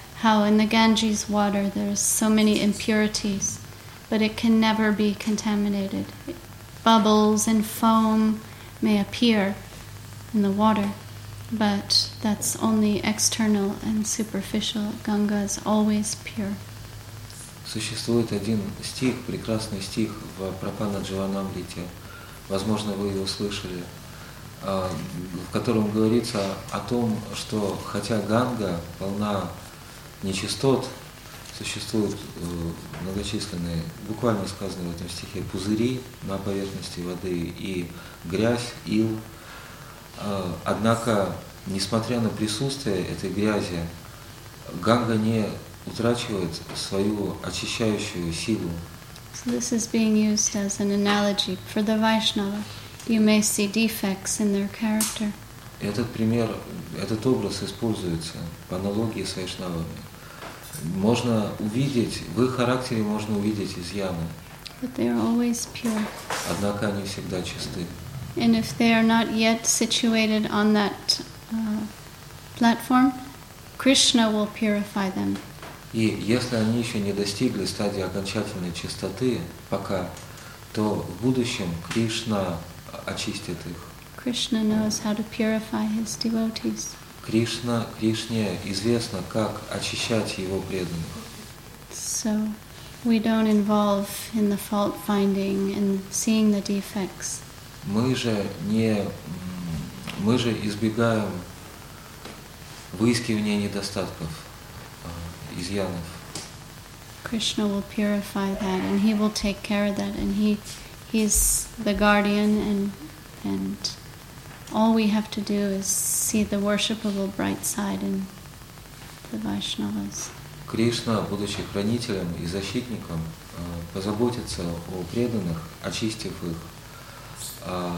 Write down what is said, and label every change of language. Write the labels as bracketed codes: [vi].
[en] How in the Ganges water there's so many impurities, but it can never be contaminated. Bubbles and foam may appear in the water, but that's only external and superficial. Ganga is always pure. [ru] Существует один стих, прекрасный стих в Прапана Джаванамрите, возможно, вы его слышали, в котором говорится о том, что хотя Ганга полна нечистот, существуют многочисленные, буквально сказано в этом стихе, пузыри на поверхности воды и грязь, ил. Однако, несмотря на присутствие этой грязи, Ганга не утрачивает свою очищающую силу. [en] So this is being used as an analogy for the Vaishnava. You may see defects in their character. [ru] Этот пример, этот образ используется по аналогии с Вайшнавами. Можно увидеть, в их характере можно увидеть изъяны. [en] But they are always pure. [ru] Однако они всегда чисты. [en] And if they are not yet situated on that platform, Krishna will purify them. [ru] И если они еще не достигли стадии окончательной чистоты пока, то в будущем Кришна очистит их. [en] Krishna knows how to purify his devotees. [ru] Кришна, Кришне известно, как очищать его преданных. [en] So we don't involve in the fault finding and seeing the defects. [ru] Мы же избегаем выискивания недостатков, изъянов. [en] Krishna will purify that and he will take care of that and he's the guardian and all we have to do is see the worshipable bright side in the Vaishnavas. [ru] Кришна, будучи хранителем и защитником, позаботится о преданных, очистив их.